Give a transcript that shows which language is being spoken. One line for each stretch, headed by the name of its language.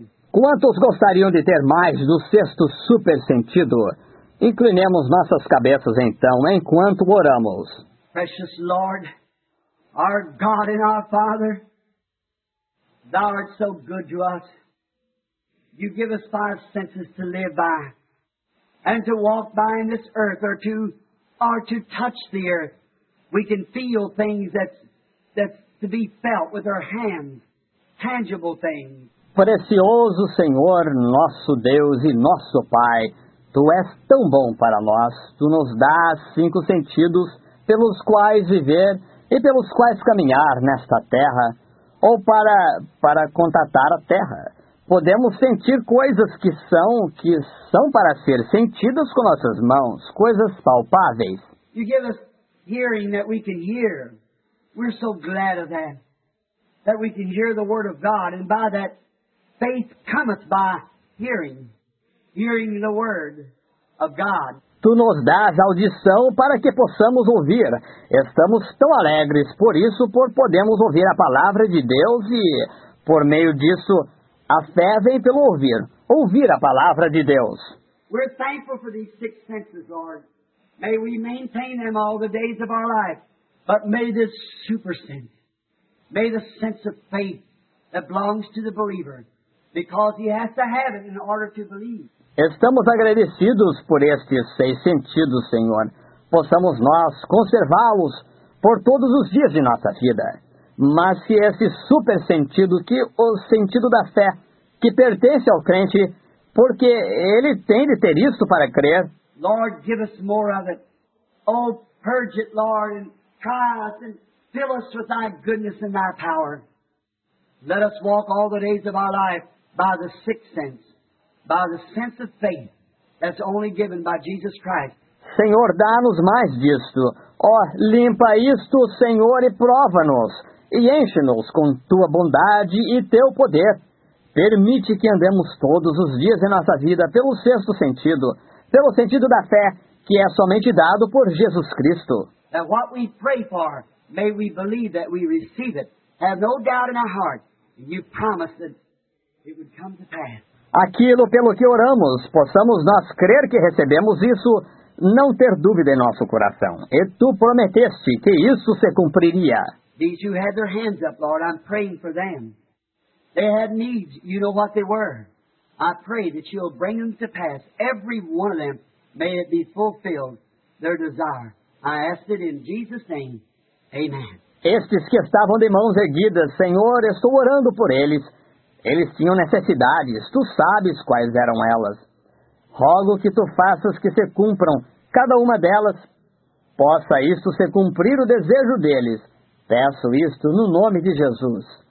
Portuguese: Quantos gostariam de ter mais do sexto super sentido? Inclinemos nossas cabeças então, enquanto oramos.
English: Precious Lord, our God and our Father, Thou art so good to us. You give us five senses to live by, and to walk by in this earth, or to touch the earth. We can feel things that's to be felt with our hands. Tangible thing.
Portuguese: Precioso Senhor, nosso Deus e nosso Pai, Tu és tão bom para nós. Tu nos dás cinco sentidos pelos quais viver e pelos quais caminhar nesta terra, ou para contatar a terra. Podemos sentir coisas que são para ser sentidas com nossas mãos, coisas palpáveis.
English: You give us hearing that we can hear. We're so glad of that. That we can hear the word of God, and by that faith cometh by hearing the word of God.
Portuguese: Tu nos dás audição para que possamos ouvir. Estamos tão alegres por isso, por podemos ouvir a palavra de Deus, e por meio disso a fé vem pelo ouvir a palavra de Deus.
English: We're thankful for these six senses, Lord. May we maintain them all the days of our life, but may this super sense. May the sense of faith that belongs to the believer, because he has to have it in order to believe.
Portuguese: Estamos agradecidos por estes seis sentidos, Senhor. Possamos nós conservá-los por todos os dias de nossa vida. Mas se esse super sentido, que o sentido da fé, que pertence ao crente, porque ele tem de ter isto para crer.
English: Lord, give us more of it. Oh, purge it, Lord, and try us and fill us with thy goodness and thy power. Let us walk all the days of our life by the sixth sense, by the sense of faith that's only given by Jesus Christ.
Portuguese: Senhor, dá-nos mais disto. Oh, limpa isto, Senhor, e prova-nos. E enche-nos com tua bondade e teu poder. Permite que andemos todos os dias em nossa vida pelo sexto sentido, pelo sentido da fé, que é somente dado por Jesus Cristo.
English: That what we pray for, may we believe that we receive it. Have no doubt in our heart. You promised that it would come to pass.
Portuguese: Aquilo pelo que oramos, possamos nós crer que recebemos isso, não ter dúvida em nosso coração. E tu prometeste que isso se cumpriria.
English: These who had their hands up, Lord, I'm praying for them. They had needs, you know what they were. I pray that you'll bring them to pass. Every one of them, may it be fulfilled, their desire. I ask it in Jesus' name. Amen.
Portuguese: Estes que estavam de mãos erguidas, Senhor, estou orando por eles. Eles tinham necessidades, tu sabes quais eram elas. Rogo que tu faças que se cumpram cada uma delas. Possa isto se cumprir o desejo deles. Peço isto no nome de Jesus.